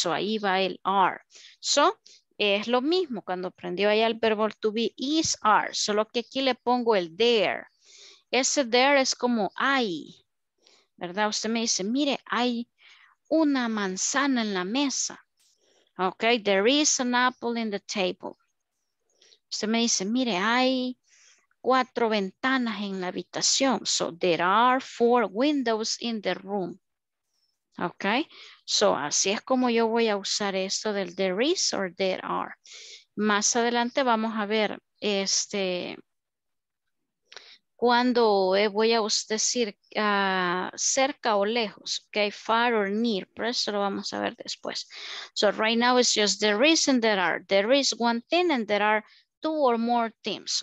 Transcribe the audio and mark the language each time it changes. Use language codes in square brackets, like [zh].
[es] So ahí va el are. So es lo mismo cuando aprendió allá el verbo to be is are, solo que aquí le pongo el there. Ese there es como hay, ¿verdad? Usted me dice, mire, hay una manzana en la mesa. [en] Okay, there is an apple in the table. [es] Usted me dice, mire, hay cuatro ventanas en la habitación. [en] So there are four windows in the room. [es] Okay, so así es como yo voy a usar esto del [en] there is or there are. [es] Más adelante vamos a ver cuando voy a decir cerca o lejos. Okay, [en] far or near, [es] pero eso lo vamos a ver después. [en] So right now it's just there is and there are. There is one thing and there are two or more things.